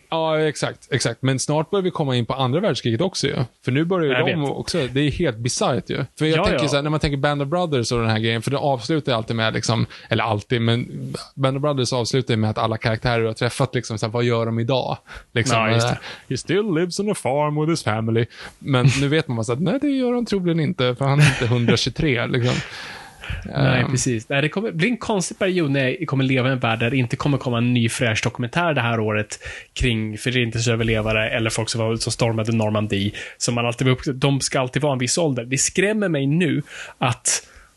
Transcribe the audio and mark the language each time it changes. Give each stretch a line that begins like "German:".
Swedish: Ja, exakt. Men snart börjar vi komma in på andra världskriget också ju. För nu börjar ju också, det är helt bisarrt ju. För jag tänker så här, när man tänker Band of Brothers och den här grejen, för det avslutar alltid med liksom, eller alltid, men Band of Brothers avslutar med att alla karaktärer du har träffat liksom, så här, vad gör de idag? Liksom, ja, just det.
English: He still lives on a farm with his family.
Swedish: Men nu vet man så att nej, det gör han troligen inte, för han är inte 123 liksom. Precis. Nej, det kommer bli en konstig period när jag kommer leva i en värld där det inte kommer komma en ny fräsch dokumentär det här året kring förintelseöverlevare eller folk som stormade Normandie, som man alltid de ska alltid vara en viss ålder. Det skrämmer mig nu att